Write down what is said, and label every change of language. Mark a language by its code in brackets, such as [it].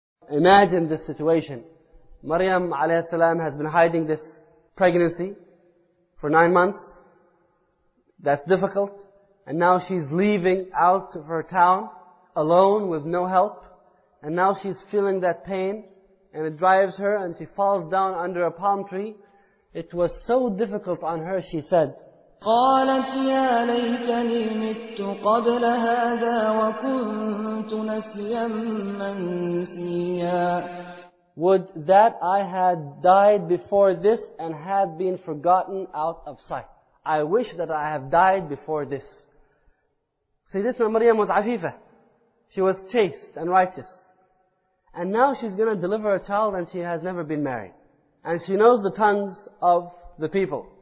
[en] Imagine this situation. Maryam alayhi salam has been hiding this pregnancy for 9 months. That's difficult. And now she's leaving out of her town alone with no help. And now she's feeling that pain and it drives her and she falls down under a palm tree. It was so difficult on her, she said. [ar] قالت يا ليتني مت قبل هذا وكنت نسيا منسيا. [en] Would that I had died before this and had been forgotten out of sight. I wish that I have died before this. Sayyidina Maryam was afifa. She was chaste and righteous. And now she's going to deliver a child and she has never been married. And she knows the tongues of the people.